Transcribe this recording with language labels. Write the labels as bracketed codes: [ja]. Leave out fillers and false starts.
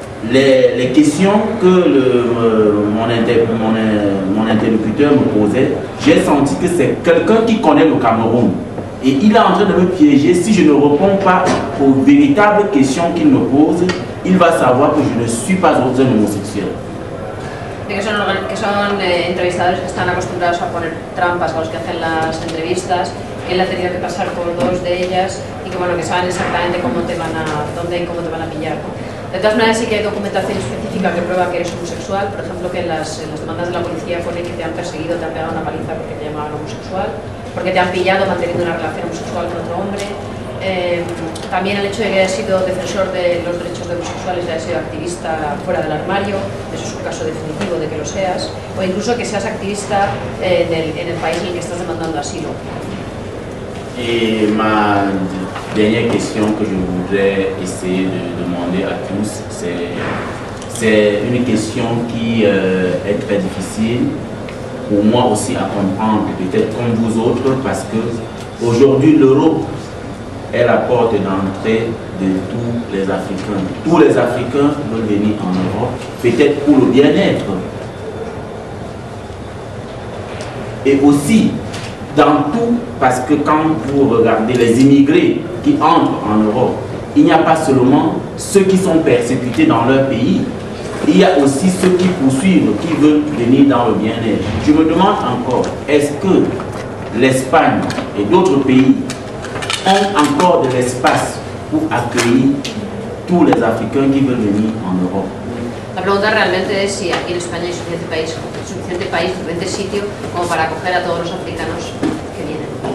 [fr] les questions que mon interlocuteur me posait, j'ai senti que c'est quelqu'un qui connaît le Cameroun. Et il est en train de me piéger. Si je ne réponds pas aux véritables questions qu'il me pose, il va savoir que je ne suis pas un homosexuel. [es] Que son entrevistadores que están acostumbrados a poner trampas a los que hacen las entrevistas, que él ha tenido que pasar por dos de ellas y que, bueno, que saben exactamente cómo te van a, dónde y cómo te van a pillar. De todas maneras, sí que hay documentación específica que prueba que eres homosexual. Por ejemplo, que en las demandas de la policía ponen que te han perseguido, te han pegado una paliza porque te llamaban homosexual, porque te han pillado manteniendo una relación homosexual con otro hombre. También el hecho de que haya sido defensor de los derechos de homosexuales y haya sido activista fuera del armario, eso es un caso definitivo de que lo seas, o incluso que seas activista en el país en el que estás demandando asilo. Y la última cuestión que yo quería preguntar a todos es una cuestión que es muy difícil para mí también a comprender, tal vez como vosotros, porque hoy en día Europa [fr] est la porte d'entrée de tous les Africains. Tous les Africains veulent venir en Europe, peut-être pour le bien-être. Et aussi, dans tout, parce que quand vous regardez les immigrés qui entrent en Europe, il n'y a pas seulement ceux qui sont persécutés dans leur pays, il y a aussi ceux qui poursuivent, qui veulent venir dans le bien-être. Je me demande encore, est-ce que l'Espagne et d'autres pays ont encore de l'espace pour accueillir tous les Africains qui veulent venir en Europe. [es] La pregunta realmente es si aquí en España hay suficiente país, suficiente sitio como para acoger a todos los africanos que vienen.